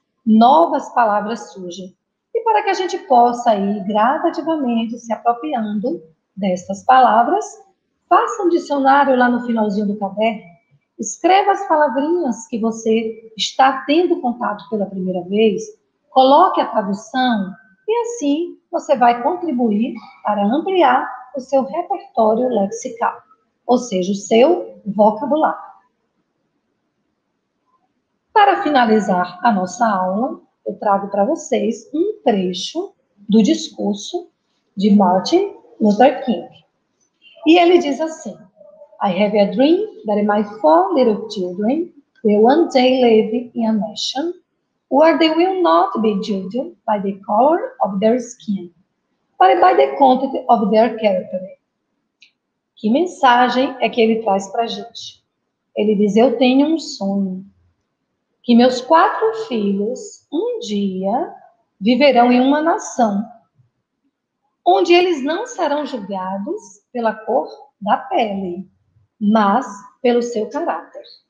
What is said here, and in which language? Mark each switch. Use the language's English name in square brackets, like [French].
[Portuguese] novas palavras surgem e para que a gente possa ir gradativamente se apropriando dessas palavras, faça um dicionário lá no finalzinho do caderno, escreva as palavrinhas que você está tendo contato pela primeira vez, coloque a tradução e assim você vai contribuir para ampliar o seu repertório lexical, ou seja, o seu vocabulário. Para finalizar a nossa aula, eu trago para vocês um trecho do discurso de Martin Luther King. E ele diz assim: [English] I have a dream that my four little children will one day live in a nation where they will not be judged by the color of their skin, but by the content of their character. [Portuguese] Que mensagem é que ele traz para a gente? Ele diz: eu tenho um sonho. Que meus quatro filhos, um dia, viverão em uma nação onde eles não serão julgados pela cor da pele, mas pelo seu caráter.